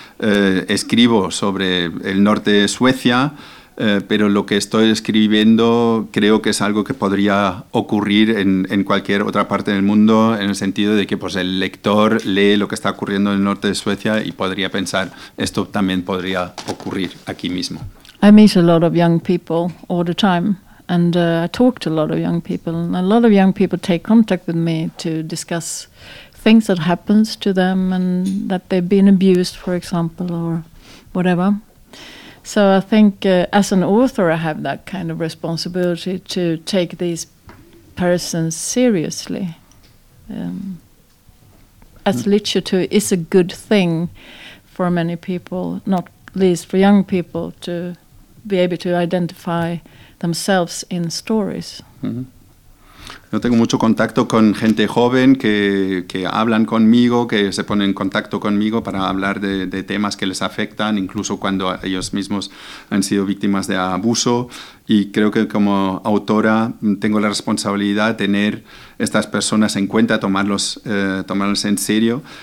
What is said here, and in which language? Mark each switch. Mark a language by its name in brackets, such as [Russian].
[Spanish] Escribo sobre el norte de Suecia, pero lo que estoy escribiendo creo que es algo que podría ocurrir en cualquier otra parte del mundo, en el sentido de que pues, el lector lee lo que está ocurriendo en el norte de Suecia y podría pensar, esto también podría ocurrir aquí mismo. [English] I meet a lot of young people all the time, and I talk to a lot of young people, and a lot of young people take contact with me to discuss things that happens to them and that they've been abused, for example, or whatever. So I think as an author, I have that kind of responsibility to take these persons seriously. As literature is a good thing for many people, not least for young people, to be able to identify themselves in stories. Mm-hmm. [Spanish] Yo tengo mucho contacto con gente joven que hablan conmigo, que se ponen en contacto conmigo para hablar de temas que les afectan, incluso cuando ellos mismos han sido víctimas de abuso. Y creo que como autora tengo la responsabilidad de tener estas personas en cuenta, tomarlos en serio.